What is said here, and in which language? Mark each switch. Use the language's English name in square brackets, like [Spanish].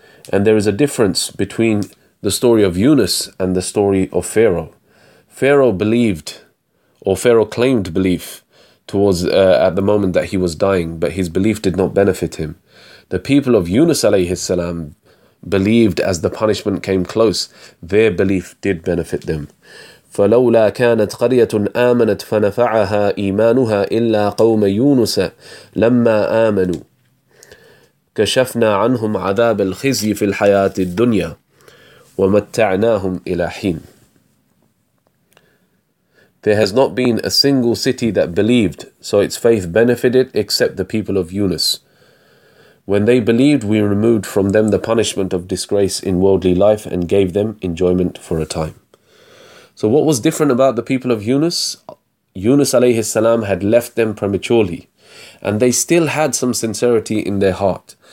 [English] And there is a difference between the story of Yunus and the story of Pharaoh. Pharaoh claimed belief towards at the moment that he was dying, but his belief did not benefit him. The people of Yunus alayhi salam believed as the punishment came close. Their belief did benefit them. [Arabic] فلولا كانت قرية آمنت فنفعها إيمانها إلا قوم يونس لما آمنوا كشفنا عنهم عذاب الخزي في الحياة الدنيا ومتعناهم إلى حين. [English] There has not been a single city that believed, so its faith benefited except the people of Yunus. When they believed, we removed from them the punishment of disgrace in worldly life and gave them enjoyment for a time. So what was different about the people of Yunus? Yunus alayhi salam had left them prematurely, and they still had some sincerity in their heart.